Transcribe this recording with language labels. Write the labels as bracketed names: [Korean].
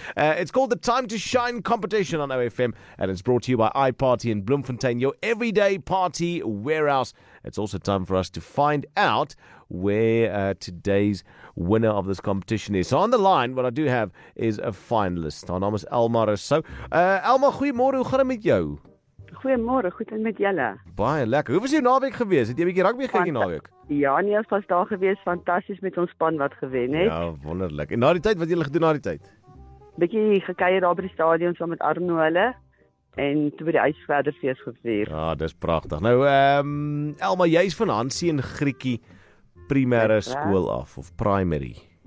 [English] It's called the Time to Shine competition on OFM, and it's brought to you by iParty in Bloemfontein, your everyday party warehouse. It's also time for us to find out where today's winner of this competition is. So on the line, what I do have is a finalist. [Afrikaans] Haar naam is Elma Rousseau. Elma, goeiemôre, hoe gaan dit met jou? Goeiemôre, goed en met julle? Baie lekker. Hoe was jou naweek geweest? Het jy 'n bietjie rugby gekyk die naweek? Ja, nee, ons was daar geweest. Fantasties met ons span wat gewen het. Ja, wonderlik. En na die tyd, wat julle gedoen na die tyd? Bietjie gekuier daar by die stadion saam met Arno hulle. En toe by die huis verder fees gevier. Ja, dis pragtig. Nou, Elma, jy is van Hansie en Griekie primêre skool af, of primary?